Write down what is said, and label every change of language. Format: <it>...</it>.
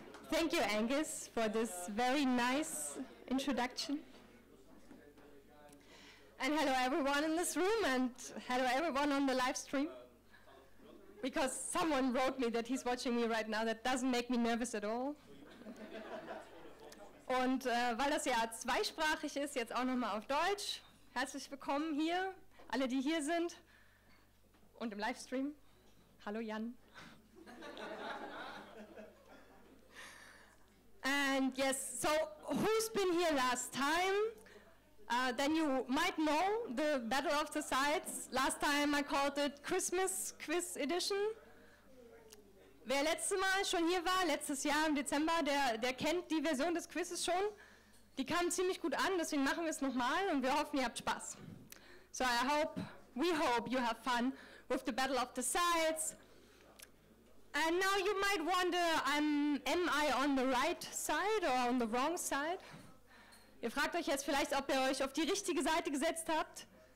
<en>Thank you, Angus, for this very nice introduction. And hello, everyone in this room, and hello, everyone on the live stream. Because someone wrote me that he's watching me right now. That doesn't make me nervous at all.</en> <de>Und weil das ja zweisprachig ist, jetzt auch nochmal auf Deutsch. Herzlich willkommen hier, alle, die hier sind und im Livestream. Hallo, Jan.</de> <en>And yes, so who's been here last time? Then you might know the Battle of the Sites. Last time I called it Christmas Quiz Edition.</en> <de>Wer letztes Mal schon hier war, letztes Jahr im Dezember, der kennt die Version des Quizzes schon. Die kam ziemlich gut an, deswegen machen wir es nochmal und wir hoffen, ihr habt Spaß.</de> <en>So I hope, we hope you have fun with the Battle of the Sites. And now you might wonder, am I on the right side or on the wrong side?</en> <de>Ihr fragt euch jetzt vielleicht, ob ihr euch auf die richtige Seite gesetzt habt.</de>